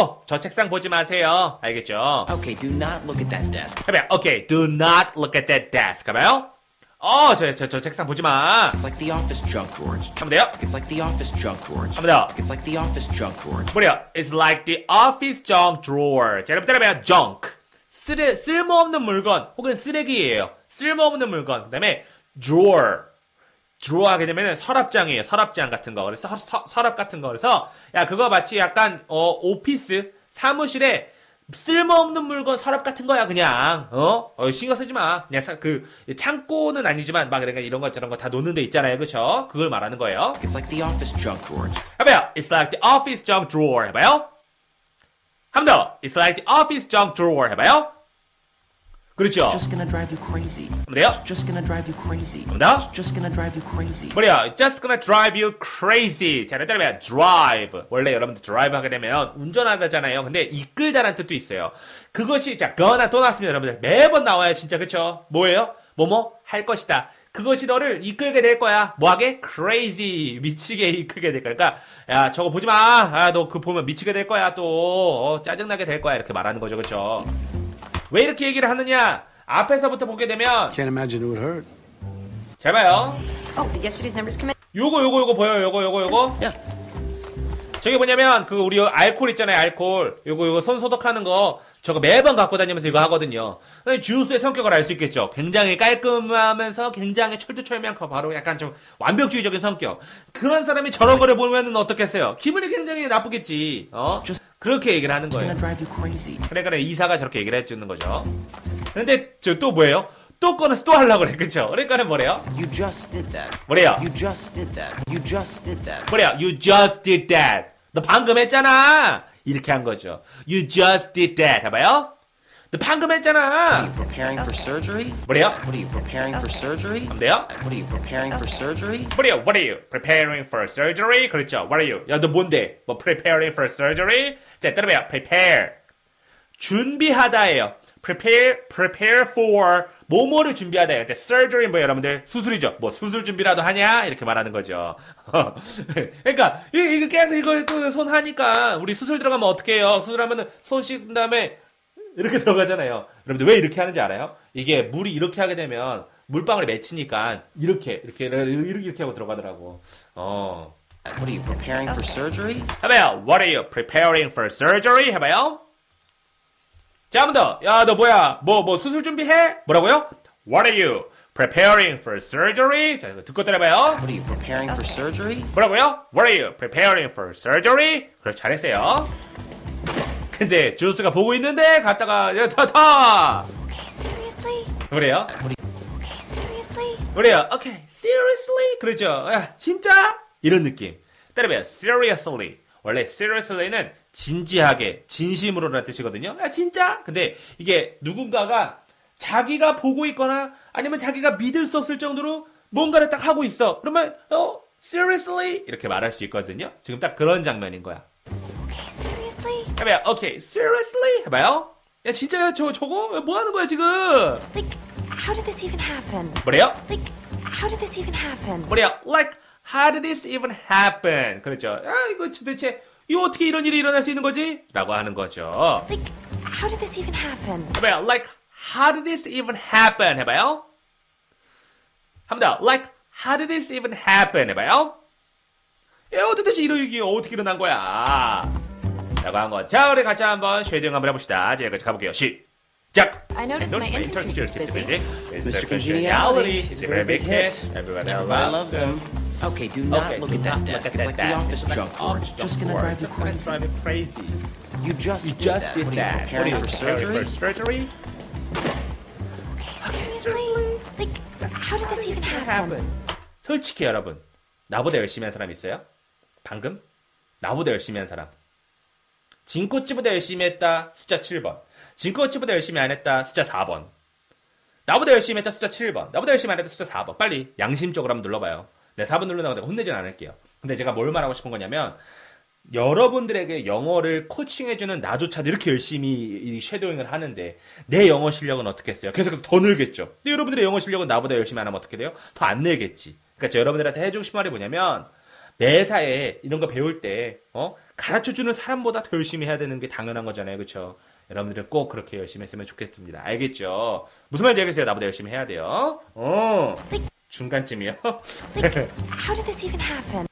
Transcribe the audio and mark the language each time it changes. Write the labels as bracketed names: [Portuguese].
[Korean] 저 책상 보지 마세요. 알겠죠? [English] Okay, do not look at that desk. [Korean] 가봐요. [English] Okay, do not look at that desk. [Korean] 가봐요. 저 책상 보지 마. [English] It's like the office junk drawer. [Korean] 하면 돼요? [English] It's like the office junk drawer. [Korean] 하면 돼요? [English] It's like the office junk drawer. [Korean] 뭐래요? [English] It's like the office junk drawer. [Korean] 자, 여러분 따라해봐요. Junk. 쓸모없는 물건. 혹은 쓰레기예요. 쓸모없는 물건. 그 다음에 drawer. 드로어 하게 되면은 서랍장이에요. 서랍장 같은 거. 그래서 서랍 같은 거. 그래서 야 그거 마치 약간 오피스 사무실에 쓸모없는 물건 서랍 같은 거야 그냥. 신경 쓰지 마. 그냥 그 창고는 아니지만 막 그런 그러니까 거 저런 거 다 놓는 데 있잖아요. 그렇죠? 그걸 말하는 거예요. [English] It's like the office junk drawer. [Korean] 해봐요. [English] It's like the office junk drawer. [Korean] 해봐요. 한 번 더. [English] It's like the office junk drawer. [Korean] 해봐요. 그렇죠. [English] It's just gonna drive you crazy. [Korean] 뭐래요? [English] It's just gonna drive you crazy. [Korean] 뭐다? [English] It's just gonna drive you crazy. [Korean] 뭐래요? [English] Just gonna drive you crazy. [Korean] 자, 그러면 [English] drive. [Korean] 원래 여러분들 drive 하게 되면 운전하다잖아요. 근데 이끌다라는 뜻도 있어요. 그것이 자, gonna 또 나왔습니다, 여러분들. 매번 나와요, 진짜 그렇죠? 뭐예요? 뭐뭐 할 것이다. 그것이 너를 이끌게 될 거야. 뭐하게? Crazy. 미치게 이끌게 될 거야. 그러니까 야, 저거 보지 마. 아, 너 그 보면 미치게 될 거야. 또 짜증나게 될 거야. 이렇게 말하는 거죠, 그렇죠? 왜 이렇게 얘기를 하느냐? 앞에서부터 보게 되면 [English] Can't imagine it would hurt. [Korean] 잘 봐요. [English] Oh, did yesterday's numbers come in? [Korean] 요거 보여요. 요거. 야. 저게 뭐냐면 그 우리 알코올 있잖아요. 알코올. 요거 손 소독하는 거 저거 매번 갖고 다니면서 이거 하거든요. 주우스의 성격을 알 수 있겠죠. 굉장히 깔끔하면서 굉장히 철두철미하고 바로 약간 좀 완벽주의적인 성격. 그런 사람이 저런 거를 보면은 어떻겠어요? 기분이 굉장히 나쁘겠지. 그렇게 얘기를 하는 거예요. 그래, 이사가 저렇게 얘기를 해주는 거죠. 근데 저 또 뭐예요? 또 거는 또 하려고 그래, 그쵸? 그러니까는 뭐래요? [English] You just did that. [Korean] 뭐래요? [English] You just did that. You just did that. [Korean] 뭐래요? [English] You just did that. [Korean] 너 방금 했잖아. 이렇게 한 거죠. [English] You just did that. [Korean] 해봐요. 너 방금 했잖아. [English] What are you preparing for surgery? [Korean] 뭐래요? [English] What are you preparing for surgery? [Korean] 안 돼요? [English] What are you preparing for surgery? [Korean] 뭐래요? [English] What are you preparing for surgery? [Korean] 그렇죠. [English] What are you? [Korean] 야, 너 뭔데? [English] 뭐 preparing for surgery? [Korean] 자, 따라해요. Prepare. 준비하다예요. Prepare for 뭐뭐를 준비하다. 근데 surgery 뭐 여러분들 수술이죠. 뭐 수술 준비라도 하냐 이렇게 말하는 거죠. 그러니까 이거 계속 이거 또 손 하니까 우리 수술 들어가면 어떡해요? 수술하면은 손 씻은 다음에 이렇게 들어가잖아요. 여러분들 왜 이렇게 하는지 알아요? 이게 물이 이렇게 하게 되면 물방울이 맺히니까 이렇게 하고 들어가더라고. [English] What are you preparing for surgery? [Korean] 해봐요. [English] What are you preparing for surgery? [Korean] 해봐요. 자, 한번 더. 야, 너 뭐야? 뭐 수술 준비해? 뭐라고요? [English] What are you preparing for surgery? [Korean] 자, 듣고 따라해봐요. [English] What are you preparing for surgery? [Korean] 뭐라고요? [English] What are you preparing for surgery? [Korean] 그래, 잘했어요. 근데 주스가 보고 있는데 갔다가 야, 타! [English] Okay, seriously? [Korean] 그래요? [English] Okay, seriously? [Korean] 그래요? [English] Okay, seriously? [Korean] 그렇죠. 야, 진짜? 이런 느낌. 따라해봐요. Seriously. 원래 seriously는 진지하게, 진심으로라는 뜻이거든요. 야, 진짜? 근데 이게 누군가가 자기가 보고 있거나 아니면 자기가 믿을 수 없을 정도로 뭔가를 딱 하고 있어. 그러면 seriously? 이렇게 말할 수 있거든요. 지금 딱 그런 장면인 거야. [English] Okay, seriously? [Korean] 해봐요. [English] Okay, seriously? [Korean] 해봐요. 야, 진짜야? 저거? 야, 뭐 하는 거야, 지금? [English] Like, how did this even happen? [Korean] 뭐래요? [English] Like, how did this even happen? [Korean] 뭐래요? [English] Like, how did this even happen? [Korean] 그렇죠. 아, 이거 도대체... 이 어떻게 이런 일이 일어날 수 있는 거지? 라고 하는 거죠. [English] Like, how did this even happen? [Korean] 해봐요. [English] Like, how did this even happen? [Korean] 해봐요. 한 번 더. [English] Like, how did this even happen? [Korean] 해봐요. 야, 도대체 이런 일이 어떻게 일어난 거야? 라고 한 거. 자, 우리 같이 한번 쉐딩 한번 해봅시다. 자, 여기까지 가볼게요. 시작! [English] I noticed my internship is busy. Mr. Congeniality is a very big hit. Everybody loves him. Okay, do not look at that desk. It's like the office junk drawer. It's just gonna drive you crazy. Just gonna drive you crazy. You just did that. What are you preparing for surgery? Okay, seriously? Like, how did this even happen? [Korean] 솔직히 여러분, 나보다 열심히 한 사람 있어요? 방금? 나보다 열심히 한 사람. 진코치보다 열심히 했다, 숫자 7번. 진코치보다 열심히 안 했다, 숫자 4번. 나보다 열심히 했다, 숫자 7번. 나보다 열심히 안 했다, 숫자 4번. 빨리, 양심적으로 한번 눌러봐요. 네, 4번 누르다가 내가 혼내진 않을게요. 근데 제가 뭘 말하고 싶은 거냐면, 여러분들에게 영어를 코칭해주는 나조차도 이렇게 열심히 이 쉐도잉을 하는데, 내 영어 실력은 어떻겠어요? 계속해서 더 늘겠죠. 근데 여러분들의 영어 실력은 나보다 열심히 안 하면 어떻게 돼요? 더 안 늘겠지. 그러니까 제가 여러분들한테 해주고 싶은 말이 뭐냐면, 매사에 이런 거 배울 때, 가르쳐주는 사람보다 더 열심히 해야 되는 게 당연한 거잖아요. 그렇죠? 여러분들은 꼭 그렇게 열심히 했으면 좋겠습니다. 알겠죠? 무슨 말인지 알겠어요? 나보다 열심히 해야 돼요. 중간쯤이요? [English] Like, how did this even happen?